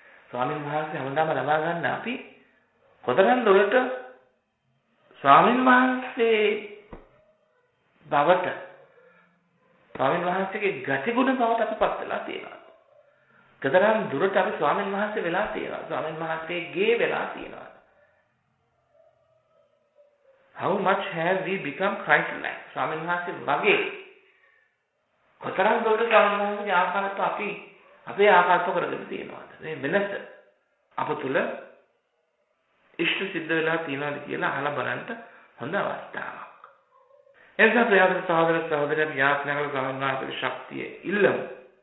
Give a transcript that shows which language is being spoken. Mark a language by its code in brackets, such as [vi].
[si] ස්වාමීන් වහන්සේ හැමදාම ලබා ගන්න අපි කොතරම් දුරට ස්වාමීන් වහන්සේ බවට ස්වාමීන් වහන්සේගේ ගතිගුණ බවට අපිපත් වෙලා තියෙනවා. කතරම් දුරට අපි ස්වාමීන් වහන්සේ වෙලා තියෙනවා. ස්වාමීන් වහන්සේගේ වෙලා තියෙනවා. [en] How much have we become Christ-like? [si] ස්වාමීන් වහන්සේ වගේ කතරම් දුරට ස්වාමීන් වහන්සේගේ ආකාරයට අපි අපේ ආකාරයට කරගෙන තියෙනවාද? මේ වෙනස අප තුල ඉෂ්ට සිද්ධ වෙලා තියෙනවාද කියලා අහලා බලන්න හොඳ අවස්ථාවක්. එසා ප්‍රයත්න සහෝදර සහෝදරිය ප්‍රයත්නවල ගමනාගේ ශක්තිය ඉල්ලමු.